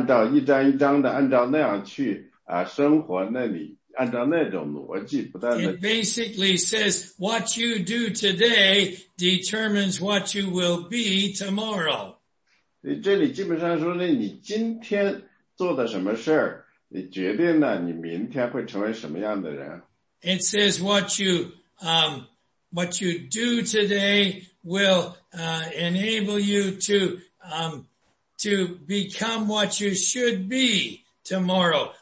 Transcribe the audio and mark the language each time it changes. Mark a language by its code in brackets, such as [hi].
[zh] 所以呢,这是一个逐步递进的过程。你如果想要得到在第六章里所有得到的成就,你必须在前面不断地按照一章一章的按照那样去 生活那里按照那种逻辑不断的 [en] It basically says what you do today determines what you will be tomorrow. [zh] 这里基本上说呢，你今天做的什么事儿，你决定了你明天会成为什么样的人。 [en] It says what you do today will enable you to become what you should be tomorrow.